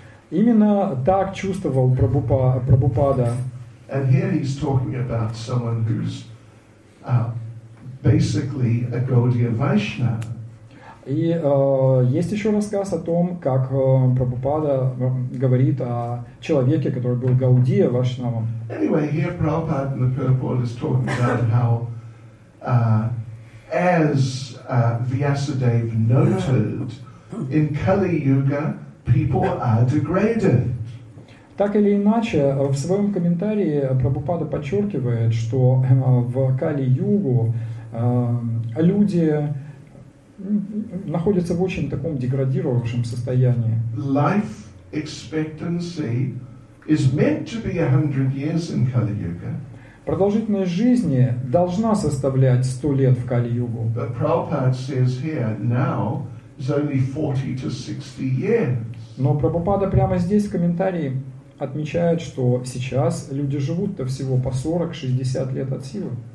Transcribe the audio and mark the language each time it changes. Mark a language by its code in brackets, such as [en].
[ru] Именно так чувствовал Прабхупада. [en] And here he's talking about someone who's basically a Gaudiya Vaishnava. [ru] И есть еще рассказ о том, как Прабхупада говорит о человеке, который был Гаудия Вашнавом. [en] Anyway, here Prabhupada in the purport is talking about how, as Vyasadeva noted, in Kali Yuga people are degraded. [ru] Так или иначе, в своем комментарии Прабхупада подчеркивает, что в Кали-Югу люди находятся в очень таком деградировавшем состоянии. [en] Life expectancy is meant to be 100 years in Kali-Yuga. [ru] Продолжительность жизни должна составлять 100 лет в Кали-Югу. [en] But Prabhupada says here now is only 40 to 60 years. [ru] Но Прабхупада прямо здесь в комментарии отмечает, что сейчас люди живут-то всего по 40-60 лет от силы.